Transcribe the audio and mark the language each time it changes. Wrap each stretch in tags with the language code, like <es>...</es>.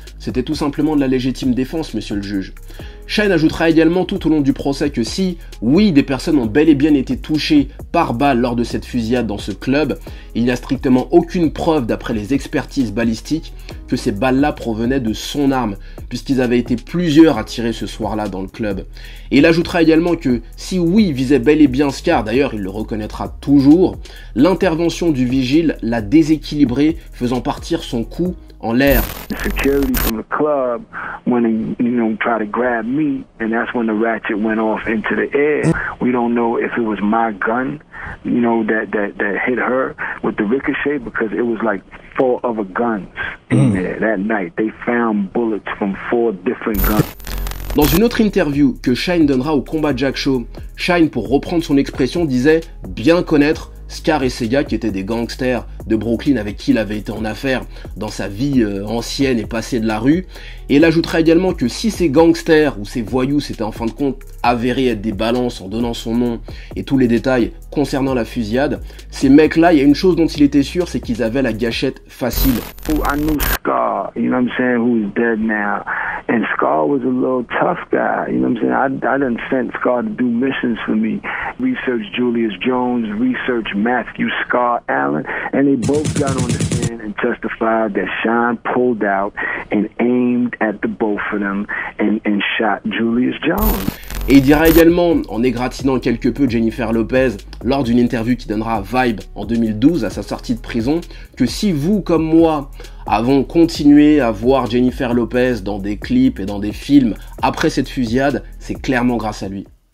<fr>C'était tout simplement de la légitime défense, monsieur le juge. Shine ajoutera également tout au long du procès que si, oui, des personnes ont bel et bien été touchées par balle lors de cette fusillade dans ce club, il n'y a strictement aucune preuve d'après les expertises balistiques que ces balles-là provenaient de son arme, puisqu'ils avaient été plusieurs à tirer ce soir-là dans le club. Et il ajoutera également que si oui visait bel et bien Scar, d'ailleurs il le reconnaîtra toujours, l'intervention du vigile l'a déséquilibré, faisant partir son coup en l'air.</fr> <en>Security from the club when he, you know, tried to grab me, and that's when the ratchet went off into the air. We don't know if it was my gun, you know, that hit her with the ricochet, because it was like four other guns in there that night. They found bullets from four different guns.</en> <fr>Dans une autre interview que Shine donnera au Combat Jack Show, Shine, pour reprendre son expression, disait bien connaître Scar et Sega, qui étaient des gangsters de Brooklyn avec qui il avait été en affaire dans sa vie ancienne et passée de la rue. Et il ajoutera également que si ces gangsters ou ces voyous s'étaient en fin de compte avérés être des balances en donnant son nom et tous les détails concernant la fusillade, ces mecs-là, il y a une chose dont il était sûr, c'est qu'ils avaient la gâchette facile.</fr> <en>Oh, I knew Scar, you know what I'm saying, who's dead now. And Scar was a little tough guy, you know what I'm saying. I done sent Scar to do missions for me. Research Julius Jones, research Matthew Scar Allen, and they both got on the stand and testified that Sean pulled out and aimed at the both of them and shot Julius Jones.</en> <fr>Et il dira également, en égratignant quelque peu Jennifer Lopez lors d'une interview qui donnera Vibe en 2012 à sa sortie de prison, que si vous comme moi avons continué à voir Jennifer Lopez dans des clips et dans des films après cette fusillade, c'est clairement grâce à lui.</fr>